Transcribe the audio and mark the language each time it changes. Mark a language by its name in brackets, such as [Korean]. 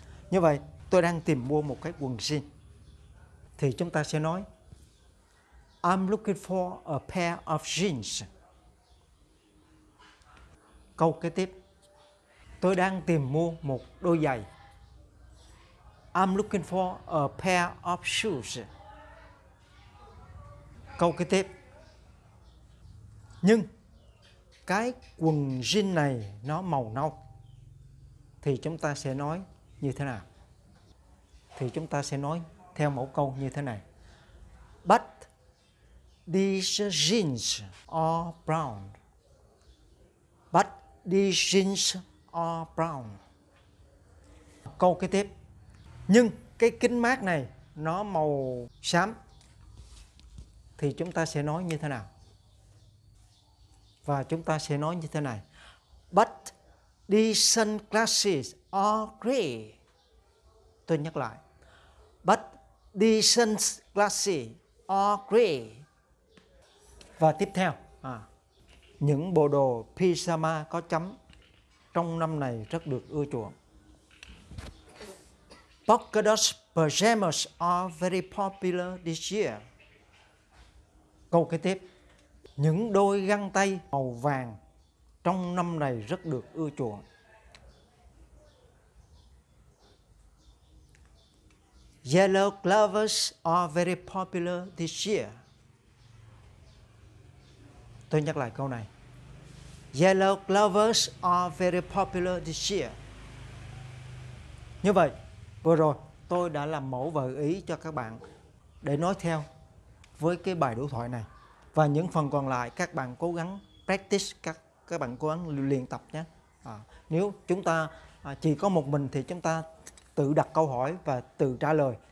[Vietnamese] Như vậy, tôi đang tìm mua một cái quần jean. Thì chúng ta sẽ nói [English] I'm looking for a pair of jeans. [Vietnamese] Câu kế tiếp. Tôi đang tìm mua một đôi giày. [English] I'm looking for a pair of shoes. [Vietnamese] Câu kế tiếp. Nhưng cái quần jean này nó màu nâu. Thì chúng ta sẽ nói như thế nào? Thì chúng ta sẽ nói theo mẫu câu như thế này. [English] But these jeans are brown. But these jeans are brown. [Vietnamese] Câu kế tiếp. Nhưng cái kính mát này nó màu xám. Thì chúng ta sẽ nói như thế nào? Và chúng ta sẽ nói như thế này. [English] But these sunglasses are gray. [Vietnamese] Tôi nhắc lại. [English] But these sunglasses are gray. [Vietnamese] Và tiếp theo, những bộ đồ pyjama có chấm trong năm này rất được ưa chuộng. [English] Polka dot pajamas are very popular this year. [Vietnamese] Câu kế tiếp, những đôi găng tay màu vàng trong năm này rất được ưa chuộng. [English] Yellow gloves are very popular this year. [Vietnamese] Tôi nhắc lại câu này. [English] Yellow gloves are very popular this year. [Vietnamese] Như vậy, vừa rồi tôi đã làm mẫu và gợi ý cho các bạn để nói theo với cái bài đối thoại này. Và những phần còn lại các bạn cố gắng practice, các bạn cố gắng luyện tập nhé. Nếu chúng ta chỉ có một mình thì chúng ta tự đặt câu hỏi và tự trả lời.